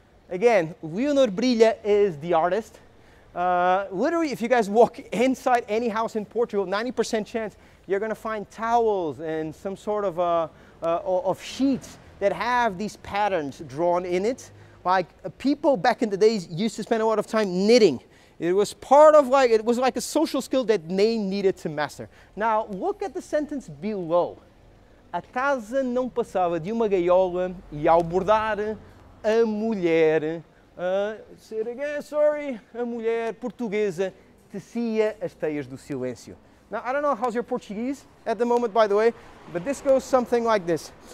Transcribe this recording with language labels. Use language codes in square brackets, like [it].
[en] Again, Leonor Brilha is the artist. Literally, if you guys walk inside any house in Portugal, 90% chance you're gonna find towels and some sort of sheets that have these patterns drawn in it. Like people back in the days used to spend a lot of time knitting. It was part of like, it was like a social skill that they needed to master. Now, look at the sentence below. [pt] A casa não passava de uma gaiola e ao bordar a mulher, a mulher portuguesa tecia as teias do silêncio. [en] Now, I don't know how's your Portuguese at the moment, by the way, but this goes something like this.